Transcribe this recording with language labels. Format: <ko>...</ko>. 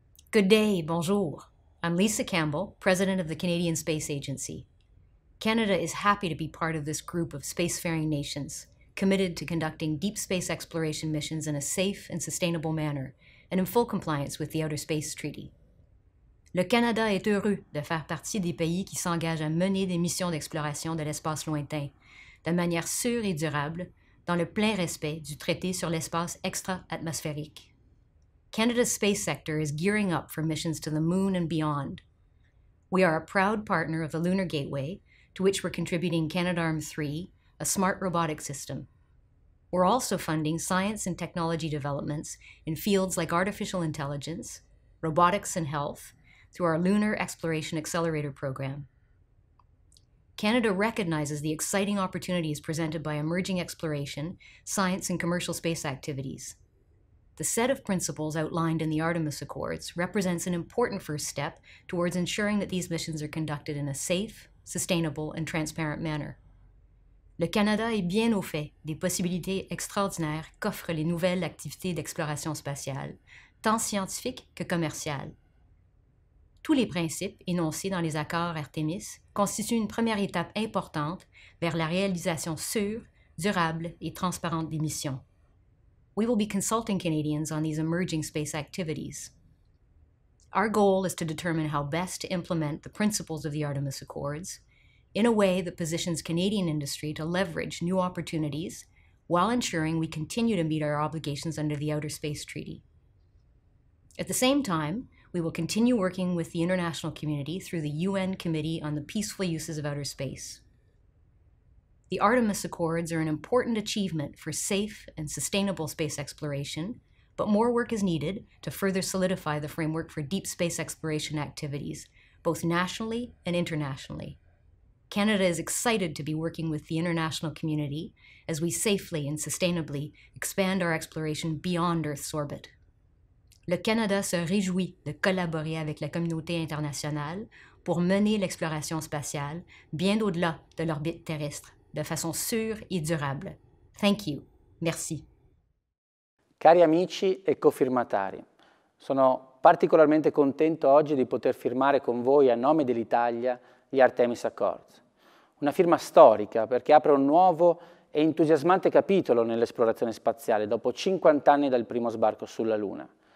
<en>Good day, bonjour. I'm Lisa Campbell, president of the Canadian Space Agency. Canada is happy to be part of this group of spacefaring nations committed to conducting deep space exploration missions in a safe and sustainable manner and in full compliance with the Outer Space Treaty.</en> <fr>Le Canada est heureux de faire partie des pays qui s'engagent à mener des missions d'exploration de l'espace lointain de manière sûre et durable dans le plein respect du traité sur l'espace extra-atmospherique.</fr> <en>Canada's space sector is gearing up for missions to the moon and beyond. We are a proud partner of the Lunar Gateway, to which we're contributing Canadarm3, a smart robotic system. We're also funding science and technology developments in fields like artificial intelligence, robotics and health, through our Lunar Exploration Accelerator program. Canada recognizes the exciting opportunities presented by emerging exploration, science and commercial space activities. The set of principles outlined in the Artemis Accords represents an important first step towards ensuring that these missions are conducted in a safe, sustainable and transparent manner.</en> <fr>Le Canada est bien au fait des possibilités extraordinaires qu'offrent les nouvelles activités d'exploration spatiale, tant scientifiques que commerciales. Tous les principes énoncés dans les accords Artemis constituent une première étape importante vers la réalisation sûre, durable et transparente des missions.</fr> <en>We will be consulting Canadians on these emerging space activities. Our goal is to determine how best to implement the principles of the Artemis Accords in a way that positions Canadian industry to leverage new opportunities while ensuring we continue to meet our obligations under the Outer Space Treaty. At the same time, we will continue working with the international community through the UN Committee on the Peaceful Uses of Outer Space. The Artemis Accords are an important achievement for safe and sustainable space exploration, but more work is needed to further solidify the framework for deep space exploration activities, both nationally and internationally. Canada is excited to be working with the international community as we safely and sustainably expand our exploration beyond Earth's orbit.</en> <fr>Le Canada se réjouit de collaborer avec la communauté internationale pour mener l'exploration spatiale bien au-delà de l'orbite terrestre, de façon sûre et durable.</fr> <en>Thank you. Merci.</en> <it>Cari amici e cofirmatari, sono particolarmente contento oggi di poter firmare con voi a nome dell'Italia gli Artemis Accords. Una firma storica perché apre un nuovo e entusiasmante capitolo nell'esplorazione spaziale dopo 50 anni dal primo sbarco sulla Luna.</it>